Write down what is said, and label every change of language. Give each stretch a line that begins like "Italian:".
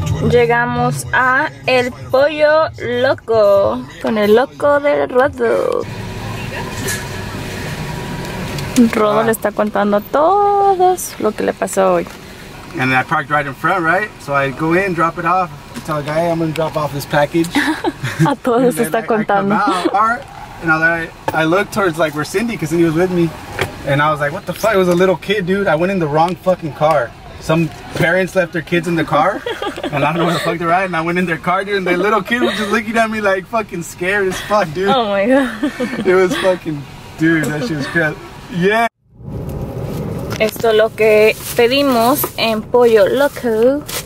Spanish: Llegamos a el pollo loco. Con el loco del Rodo. Rodo le está contando a todos lo que le pasó hoy.
English: And I parked right in front, right? So I go in, drop it off. I tell the guy, I'm gonna drop off this package.
Spanish: A todos está contando.
English: And I look towards like where Cindy, because Cindy was with me, and I was like, what the fuck? It was a little kid, dude. I went in the wrong fucking car. Some parents left their kids in the car, and I don't know where the fuck to ride, and I went in their car, dude, and the little kid was just looking at me like fucking scared as fuck, dude. Oh my god. It was fucking, dude, that shit was crap. Yeah.
Spanish: Esto es lo que pedimos en Pollo Loco.